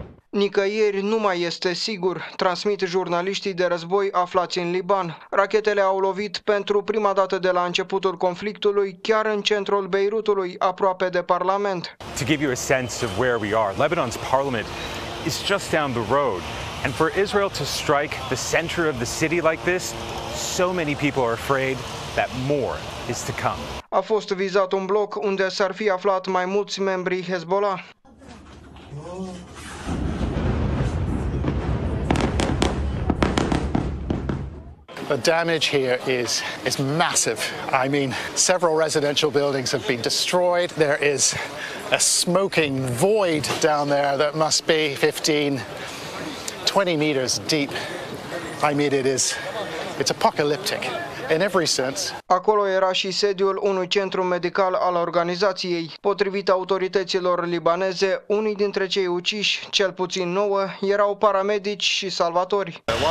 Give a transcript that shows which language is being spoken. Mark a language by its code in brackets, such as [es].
[ro] Nicăieri nu mai este sigur, transmit jurnaliștii de război aflați în Liban. Rachetele au lovit pentru prima dată de la începutul conflictului chiar în centrul Beirutului, aproape de parlament. [en] To give you a sense of where we are, Lebanon's parliament is just down the road, and for Israel to strike the center of the city like this, so many people are afraid that more is to come. [ro] A fost vizat un bloc unde s-ar fi aflat mai mulți membri Hezbollah. [en] The damage here is massive. I mean, several residential buildings have been destroyed. There is a smoking void down there that must be 15, 20 meters deep. I mean, it's apocalyptic in every sense. [ro] Acolo era și sediul unui centru medical al organizației. Potrivit autorităților libaneze, unii dintre cei uciși, cel puțin 9, erau paramedici și salvatori.